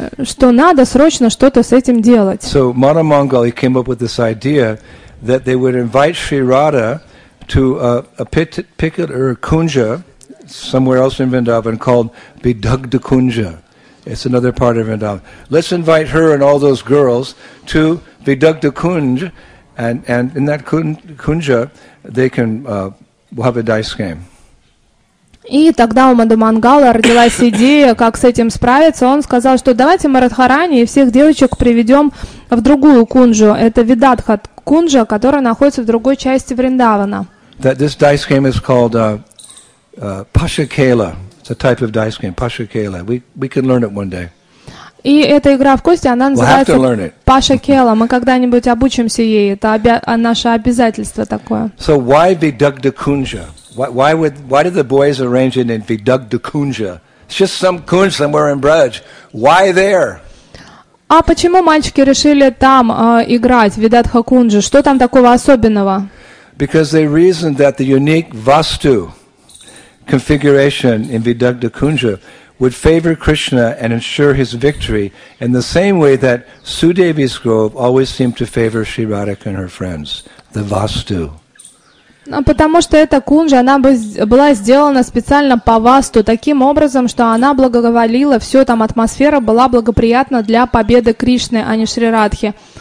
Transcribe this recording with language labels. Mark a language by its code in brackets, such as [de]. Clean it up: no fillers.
[ru] Что надо срочно что-то с этим делать. [en] So Mata Mangal came up with this idea that they would invite Shri Radha to a particular kunja somewhere else in Vrindavan called Bidugdha Kunja. It's another part of Vrindavan. Let's invite her and all those girls to Bidugdha Kunja, and in that kunja they can we'll have a dice game. [ru] И тогда у Мадху Мангала родилась идея, как с этим справиться. Он сказал, что давайте мы Радхарани и всех девочек приведем в другую кунжу. Это Видадха кунжа, которая находится в другой части Вриндавана. [en] This dice game is called Pashakela. It's a type of dice game, Pashakela. We can learn it one day. [ru] И эта игра в кости, она называется Пашакела. Мы когда-нибудь обучимся ей. Это наше обязательство такое. [en] So why Vidugdha Kunja? Why did the boys arrange it in Vidugdha Kunja? It's just some kunj somewhere in Braj. Why there? [ru] А почему мальчики решили там играть, Vidugdha Kunja? Что там такого особенного? [en] Because they reasoned that the unique vastu configuration in Vidugdha Kunja would favor Krishna and ensure his victory in the same way that Sudevi's grove always seemed to favor Sri Radhika and her friends, the Vastu. [ru] Потому что эта кунжа, она была сделана специально по Васту, таким образом, что она благоволила, все там атмосфера была благоприятна для победы Кришны, а не Шри Радхи.